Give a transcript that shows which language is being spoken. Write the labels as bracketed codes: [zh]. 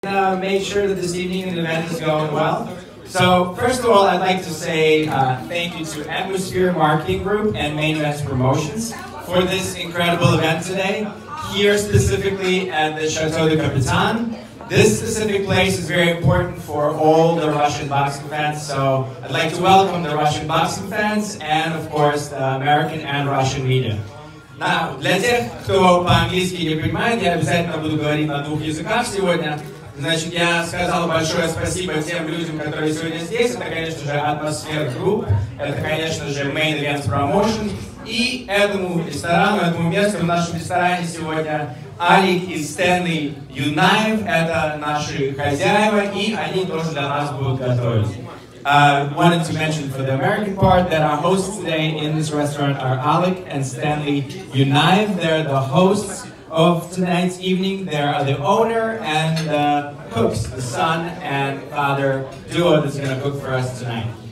[en] made sure that this evening and event is going well. So first of all, I'd like to say thank you to Atmosphere Marketing Group and Main Event Promotions for this incredible event today, here specifically at the Chateau de Capitan. This specific place is very important for all the Russian boxing fans, so I'd like to welcome the Russian boxing fans and, of course, the American and Russian media. [ru] Now, для тех, кто по-английски не понимает, я обязательно буду говорить на двух языках сегодня. Значит, я сказал большое спасибо тем людям, которые сегодня здесь. Это, конечно же, Atmosphere Group, это, конечно же, Main Event Promotion. И этому ресторану, этому месту, в нашем ресторане сегодня Алик и Стэнли Юнаев, это наши хозяева, и они тоже для нас будут готовить. [en] Wanted to mention for the American part that our hosts today in this restaurant are Alec and Stanley Unive. They're the hosts of tonight's evening. They are the owner and the cooks, the son and father duo that's going to cook for us tonight.